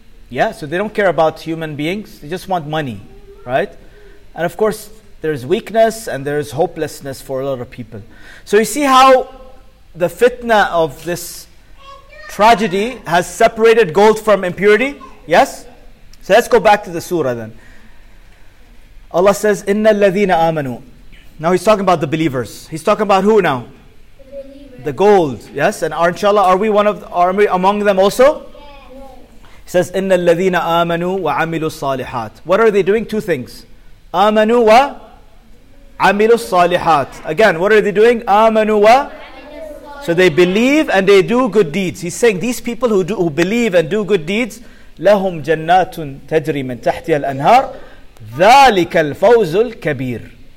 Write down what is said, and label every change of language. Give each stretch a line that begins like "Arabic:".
English: yeah, so they don't care about human beings. They just want money, right? And of course, there's weakness and there's hopelessness for a lot of people. So you see how the fitna of this tragedy has separated gold from impurity? Yes? So let's go back to the surah then. Allah says,
Arabic: إِنَّ الَّذِينَ آمَنُوا.
English: Now he's talking about the believers. He's talking about who now? The believers. The gold, yes? And inshallah, are we among them also? Yes. He says,
Arabic: إِنَّ الَّذِينَ آمَنُوا وَعَمِلُوا الصَّالِحَاتِ.
English: What are they doing? Two things.
Arabic: آمَنُوا wa عَمِلُوا الصَّالِحَاتِ.
English: Again, what are they doing?
Arabic: آمَنُوا wa.
English: So they believe and they do good deeds. He's saying these people who believe and do good deeds,
Arabic: لَهُمْ جَنَّاتٌ تَجْرِي مِنْ تَحْتِيَ الْأَنْهَارِ ذَلِكَ الْفَوْزُ الْكَبِيرِ.